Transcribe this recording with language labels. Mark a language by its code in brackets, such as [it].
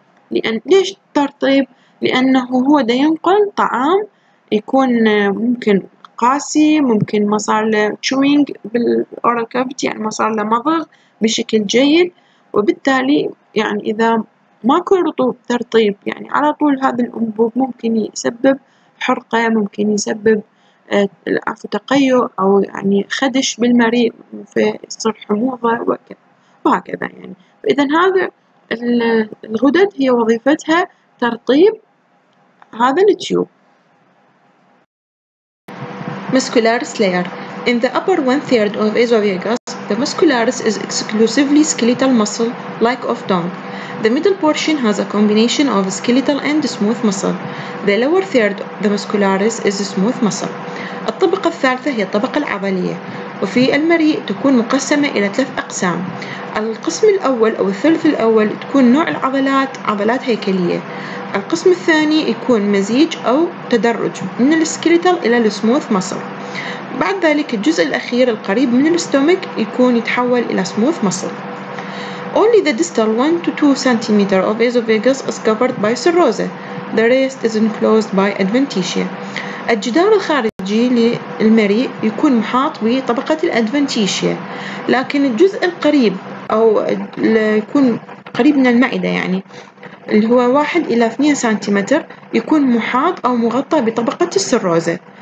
[ar] لأن ليش ترطيب؟ لأنه هو دا ينقل طعام يكون ممكن قاسي، ممكن ما صار له تشوينج بالأورال كافيتي، يعني ما صار له مضغ بشكل جيد، وبالتالي يعني إذا ماكو رطوب ترطيب يعني على طول هذا الأنبوب ممكن يسبب حرقة، ممكن يسبب عفوا تقيؤ أو يعني خدش بالمريء فيصير حموضة وهكذا يعني. فإذا هذا الغدد هي وظيفتها ترطيب هذا التيوب. [en] Muscularis layer. In the upper one-third of esophagus, the muscularis is exclusively skeletal muscle, like of tongue. The middle portion has a combination of skeletal and smooth muscle. The lower third, the muscularis, is smooth muscle. [ar] الطبقة الثالثة هي الطبقة العضلية، وفي المريء تكون مقسمة إلى ثلاث أقسام. القسم الأول أو الثلث الأول تكون نوع العضلات عضلات هيكلية. القسم الثاني يكون مزيج أو تدرج من السكيليتال إلى السموث مصل. بعد ذلك الجزء الأخير القريب من الستومك يكون يتحول إلى سموث مصل. [en] Only the distal 1-2 cm of esophagus is covered by serosa. The rest is enclosed by adventitia. [ar] الجدار الخارجي للمريء يكون محاط بطبقة الأدفنتيشيا، لكن الجزء القريب أو يكون قريب من المعدة يعني اللي هو 1 إلى 2 سنتيمتر يكون محاط أو مغطى بطبقة السروزة.